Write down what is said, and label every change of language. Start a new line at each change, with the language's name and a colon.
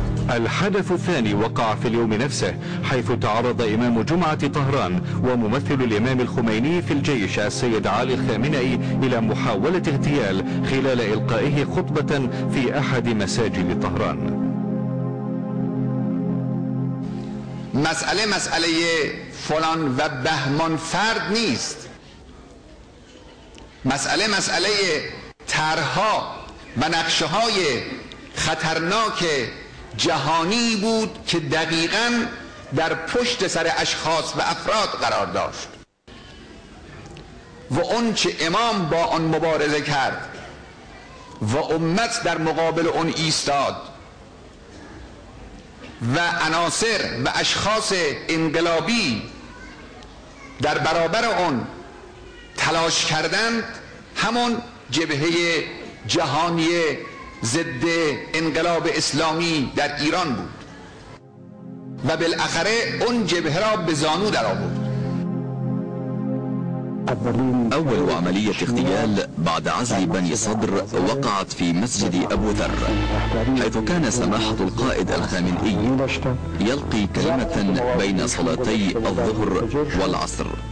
Arabic: الحدث الثاني وقع في اليوم نفسه، حيث تعرض إمام جمعة طهران وممثل الإمام الخميني في الجيش السيد علي الخامنئي إلى محاولة اغتيال خلال إلقائه خطبة في أحد مساجد طهران.
Persian: مسألة مسألة فلان وبهمان فرد نيست، مسألة مسألة ترها ونقشهاي خطرناك جهانی بود که دقیقا در پشت سر اشخاص و افراد قرار داشت. و اون چه امام با آن مبارزه کرد و امت در مقابل اون ایستاد و عناصر و اشخاص انقلابی در برابر اون تلاش کردند، همون جبهه جهانی ضد انقلاب اسلامی در ایران بود. و بالاخره اون جبهه را به زانو در آورد.
Arabic: اول عملية اغتيال بعد عزل بني صدر وقعت في مسجد ابو ذر، حيث كان سماحة القائد الخامنئي يلقي كلمة بين صلاتي الظهر والعصر،